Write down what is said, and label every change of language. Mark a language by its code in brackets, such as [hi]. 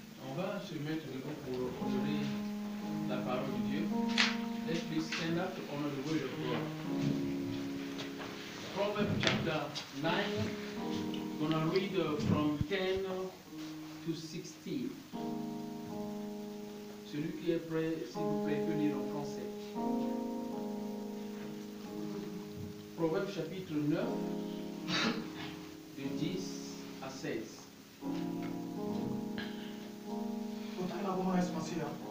[fr] On va se mettre debout pour honorer la parole de Dieu. L'Esprit Saint là pour honorer le [en] Word of God. Proverbe chapter 9, we're going to read from 10 to 16. [fr] Celui qui est prêt, s'il vous plaît, peut lire en français. Proverbe chapitre 9, de 10 à 16. Tout est d'abord responsable.